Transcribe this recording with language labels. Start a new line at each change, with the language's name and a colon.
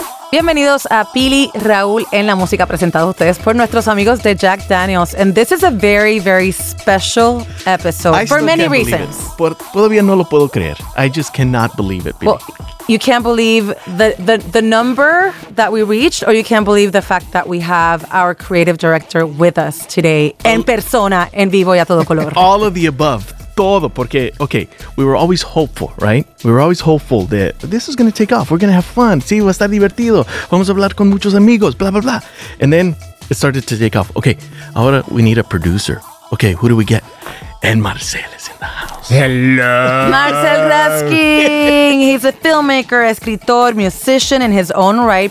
Spanish: Bienvenidos a Pili, Raúl en la música, presentado a ustedes por nuestros amigos de Jack Daniels.
English: And this is a very, very special episode for many reasons.
Spanish: Todavía no lo puedo creer.
English: I just cannot believe it, Pili. Well, you can't believe the number that we reached, or you can't believe the fact that we have our creative director with us today,
Spanish: en persona, en vivo y a todo color.
English: All of the above.
Spanish: Todo, porque,
English: okay, we were always hopeful, right? We were always hopeful that this is going to take off. We're going to have fun.
Spanish: Sí, va a estar divertido. Vamos a hablar con muchos amigos, blah, blah, blah.
English: And then it started to take off. Okay, ahora we need a producer. Okay, who do we get? And Marcel is in the house. Hello. Marcel Raskin. He's a filmmaker, escritor, musician in his own right.